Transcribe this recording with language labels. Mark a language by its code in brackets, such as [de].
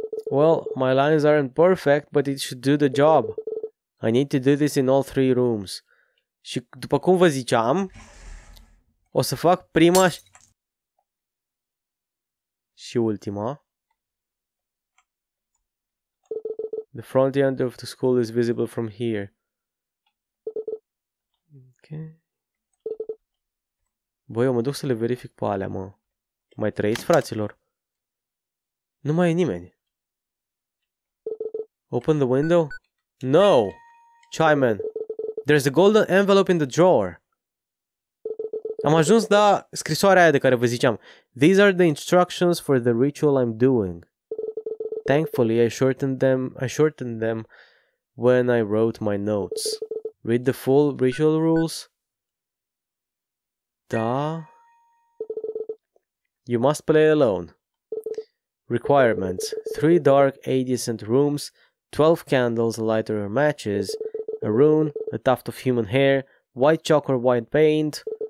[en] Well, my lines aren't perfect, but it should do the job. I need to do this in all three rooms. [ro] Și după cum vă ziceam, o să fac prima și ultima. [en] The front end of the school is visible from here. Okay. [ro] Băi, eu mă duc să le verific pe alea, mă. Mai trăiți, fraților? Nu mai e nimeni. [en] Open the window? No! Chaiman, there's a golden envelope in the drawer. [ro] Am ajuns la scrisoarea aia de care vă ziceam. [en] These are the instructions for the ritual I'm doing. Thankfully, I shortened them when I wrote my notes. Read the full ritual rules? Da. You must play alone. Requirements: 3 dark adjacent rooms, 12 candles, a lighter or matches, a rune, a tuft of human hair, white chalk or white paint.